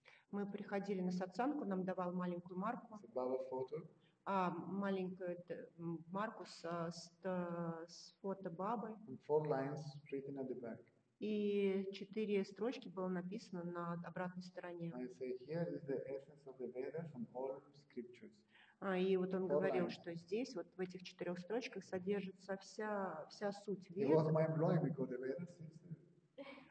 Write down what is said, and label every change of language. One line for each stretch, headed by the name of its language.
Russian: Мы приходили на сатсанку, нам давал маленькую марку.
English: It's a Baba photo.
Russian: А маленькая марку с фото Бабы.
English: Four lines written at the back.
Russian: И четыре строчки было написано на обратной стороне.
English: I say, here is the essence of the Veda from all scriptures.
Russian: А, и вот он говорил, что здесь, вот в этих четырех строчках, содержится вся суть Веды.
English: It was mind-blowing because the Veda is...